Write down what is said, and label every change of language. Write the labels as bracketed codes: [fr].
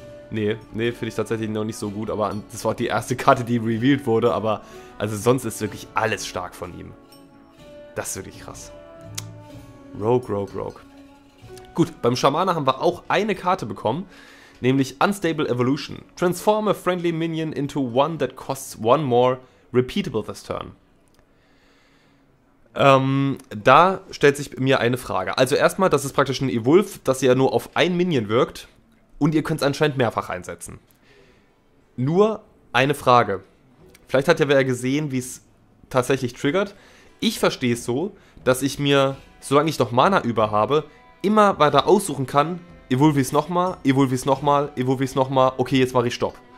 [de] Nee, finde ich tatsächlich noch nicht so gut, aber das war die erste Karte, die revealed wurde, aber also sonst ist wirklich alles stark von ihm. Das ist wirklich krass. Rogue. Gut, beim Schamane haben wir auch eine Karte bekommen, nämlich Unstable Evolution. [en] Transform a friendly minion into one that costs one more, repeatable this turn. [de] Da stellt sich mir eine Frage. Also erstmal, das ist praktisch ein Evolve, das ja nur auf ein Minion wirkt. Und ihr könnt es anscheinend mehrfach einsetzen. Nur eine Frage. Vielleicht hat ja wer gesehen, wie es tatsächlich triggert. Ich verstehe es so, dass ich mir, solange ich noch Mana über habe, immer weiter aussuchen kann, Evolvi's nochmal, okay, jetzt mache ich Stopp.